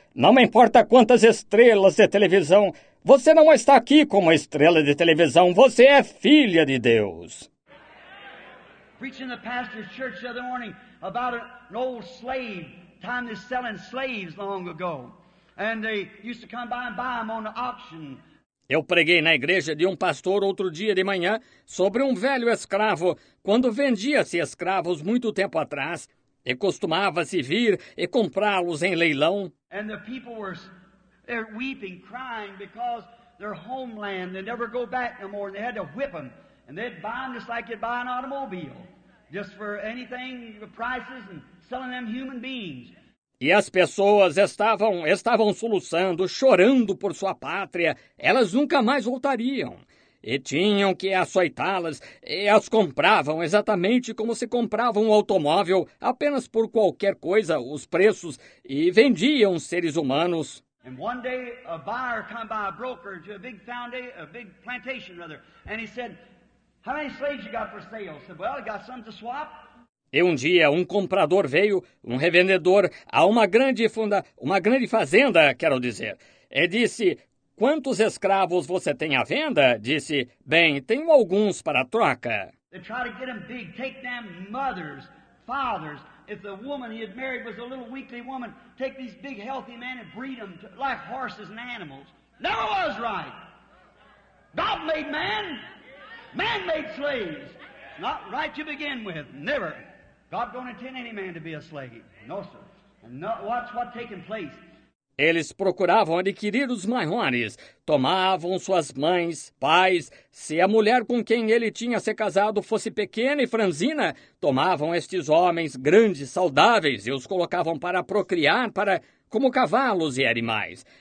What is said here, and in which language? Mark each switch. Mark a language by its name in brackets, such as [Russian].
[Portuguese] Não importa quantas estrelas de televisão. Você não está aqui como estrela de televisão. Você é filha de Deus. [English] Preaching the pastor's church the other morning. about an old slave, time they're selling slaves long ago. And they used to come by and buy them on the auction. [Portuguese] Eu preguei na igreja de um pastor outro dia de manhã sobre um velho escravo, quando vendia-se escravos muito tempo atrás, e costumava-se vir e comprá-los em leilão. [English] And the people were weeping, crying, because their homeland, they never go back no more, and they had to whip them. And they'd buy them just like you'd buy an automobile, just for anything, the prices, and selling them human beings. [Portuguese] E as pessoas estavam soluçando, chorando por sua pátria. Elas nunca mais voltariam. E tinham que açoitá-las e as compravam exatamente como se comprava um automóvel, apenas por qualquer coisa, os preços, e vendiam seres humanos. E um dia, um [English] buyer came by a broker to a big foundry, a big plantation, rather, and he said, "How many slaves you got for sale?" I said, "Well, I got some to swap." [Portuguese] E um dia um comprador veio, um revendedor, a uma grande fazenda, quero dizer. E disse, "Quantos escravos você tem à venda?" Disse, "Bem, tenho alguns para troca." [English] They try to get them big, take them mothers, fathers. If the woman he had married was a little weakly woman, take these big healthy men and breed them to, like horses and animals. Never was right. God made man. Man made slaves. Not right to begin with. Never. God don't intend any man to be a slave. No, sir. And no, watch what's taking place. [Portuguese] Eles procuravam adquirir os maiores. Tomavam suas mães, pais. Se a mulher com quem ele tinha se casado fosse pequena e franzina, tomavam estes homens grandes, saudáveis, e os colocavam para procriar, para como cavalos e animais.